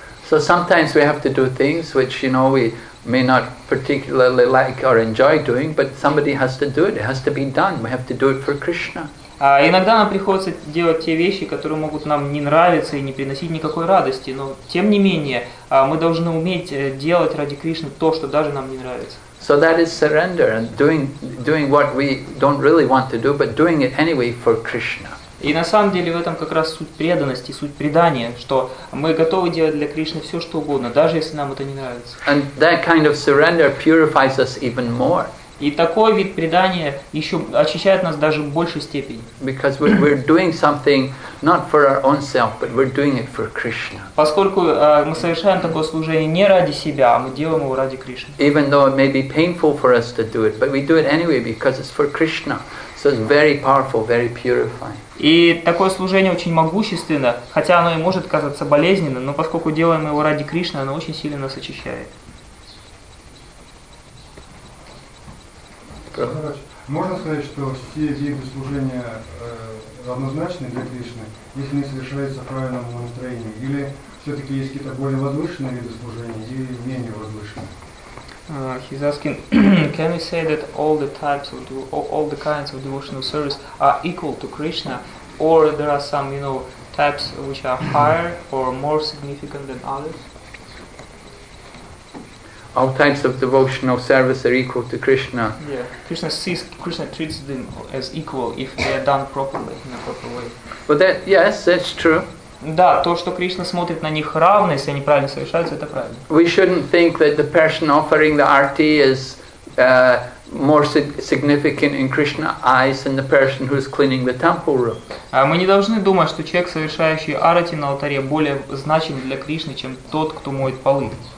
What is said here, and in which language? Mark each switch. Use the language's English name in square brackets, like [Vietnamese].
[English] So sometimes we have to do things which, you know, we may not particularly like or enjoy doing, but somebody has to do it. It has to be done. We have to do it for Krishna. [Russian] Иногда нам приходится делать те вещи, которые могут нам не нравиться и не приносить никакой радости, но тем не менее мы должны уметь делать ради Кришны то, что даже нам не нравится. [English] So that is surrender and doing what we don't really want to do, but doing it anyway for Krishna. [Russian] И на самом деле в этом как раз суть преданности, суть предания, что мы готовы делать для Кришны все, что угодно, даже если нам это не нравится. [English] And that kind of surrender purifies us even more. [Russian] И такой вид предания еще очищает нас даже в большей степени. [English] Because we're doing something not for our own self, but we're doing it for Krishna. [Russian] Поскольку мы совершаем такое служение не ради себя, а мы делаем его ради Кришны. [English] Even though it may be painful for us to do it, but we do it anyway because it's for Krishna. So it's very powerful, very purifying. [Russian] И такое служение очень могущественно, хотя оно и может казаться болезненным, но поскольку делаем его ради Кришны, оно очень сильно нас очищает. Можно сказать, что все виды служения равнозначны для Кришны, если они совершаются в правильном настроении? Или все-таки есть какие-то более возвышенные виды служения и менее возвышенные? [English] He's asking, can we say that all the kinds of devotional service are equal to Krishna, or there are some, you know, types which are higher or more significant than others? All types of devotional service are equal to Krishna. Yeah, Krishna treats them as equal if they are done properly, in a proper way. But that, yes, that's true. [Russian] Да, то, что Кришна смотрит на них равно, если они правильно совершаются, это правильно. [English] We shouldn't think that the person offering the arti is more significant in Krishna eyes than the person who is cleaning the temple room. [Russian] Мы не должны думать, что человек, совершающий арати на алтаре, более значим для Кришны, чем тот, кто моет полы.